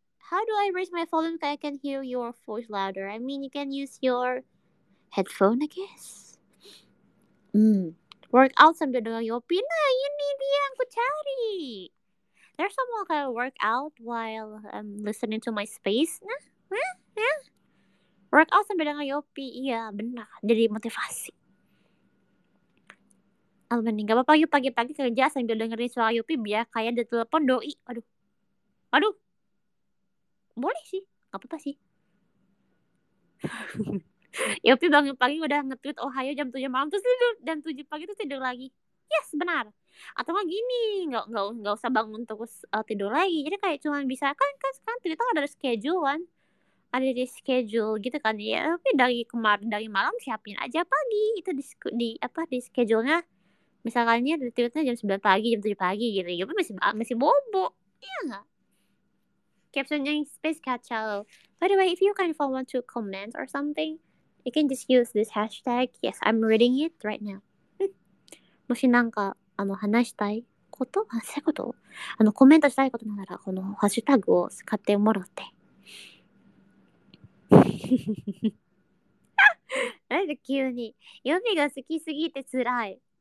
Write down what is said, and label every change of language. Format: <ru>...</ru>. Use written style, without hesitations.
<en>How do I raise my volume so I can hear your voice louder? I mean, you can use your headphone, I guess.</en> <id>Workout sambil dengar Yopi. Nah, ini dia yang aku cari.</id> <en>There's some more kind of workout while I'm listening to my space.</en> <id>Nah, workout sambil dengar Yopi. Iya, benar. Jadi motivasi. Alman, gak apa-apa yuk pagi-pagi kerja sambil dengerin suara Yopi biar kayak di telepon doi. Aduh. Aduh. Boleh sih. Gak apa-apa sih. Yopi bangun pagi udah nge-tweet Ohio jam 7 malam terus tidur. Dan 7 pagi tuh tidur lagi. Yes, benar. Atau gak gini. Gak usah bangun terus tidur lagi. Jadi kayak cuma bisa. Kan sekarang Twitter ada schedule kan. Ada di schedule gitu kan. Ya, tapi dari kemarin, dari malam siapin aja pagi. Itu di schedule-nya. Misalnya di Twitter-nya jam 9 pagi, jam 7 pagi gitu. Yopi masih bobo. Iya gak? Captionnya space kacau.</id> <en>By the way, if you kind of want to comment or something, you can just use this hashtag. Yes, I'm reading it right now.</en> <ja>もしなんか、話したいこと、話したいこと、コメントしたいことなら、このハッシュタグを使ってもらって。なんで急に。ヨミが好きすぎて辛い。</ja>